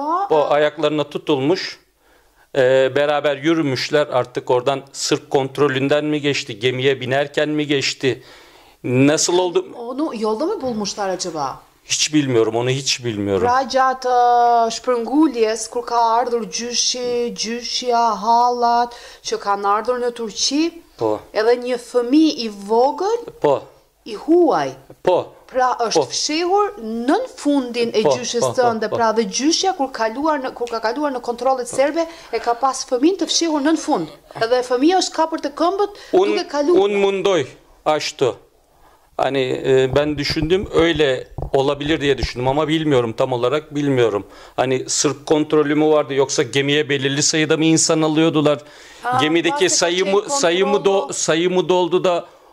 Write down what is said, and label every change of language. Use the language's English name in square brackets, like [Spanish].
[Turkish] Ayaklarına tutulmuş, beraber yürümüşler artık oradan sırf kontrolünden mi geçti, gemiye binerken mi geçti, nasıl oldu? Onu yolda mı bulmuşlar acaba? Hiç bilmiyorum, onu hiç bilmiyorum. [Albanian] Pra gjatë shpërngulljes, kur ka ardhur gjyshi, gjyshja, halat, që kanë ardhur në Turqi, po. Edhe një fëmijë i vogël, po. I huaj, po. Pra është fshehur në fundin e gjyshes tënde, pra dhe gjyshja, kur ka kaluar në kontrolet serbe, e ka pas fëmin të fshehur në fund. Edhe fëmija është kapur të këmbët, duke kaluar. Unë mundoj, ashtu. [Turkish] Hani ben düşündüm öyle olabilir diye düşündüm ama bilmiyorum tam olarak bilmiyorum. Hani sırf kontrolü mü vardı yoksa gemiye belirli sayıda mı insan alıyordular? Gemideki sayı mı doldu da?